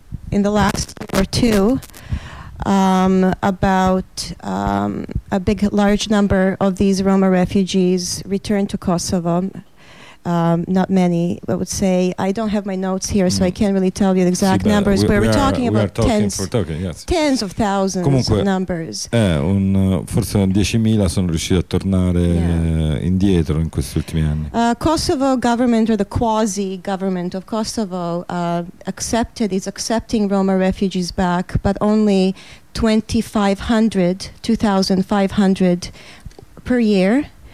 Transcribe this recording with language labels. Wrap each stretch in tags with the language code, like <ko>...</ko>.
<en>In the last year or two, about a big, large number of these Roma refugees returned to Kosovo. Not many, I would say. I don't have my notes here, so I can't really tell you the exact numbers. But we're talking about tens of thousands.</en> <it>Comunque,</it> <en>of numbers.</en> <it>Forse 10,000 sono riusciti a tornare indietro in questi ultimi anni.</it> <en>Kosovo government, or the quasi government of Kosovo, is accepting Roma refugees back, but only 2,500 per year.</en>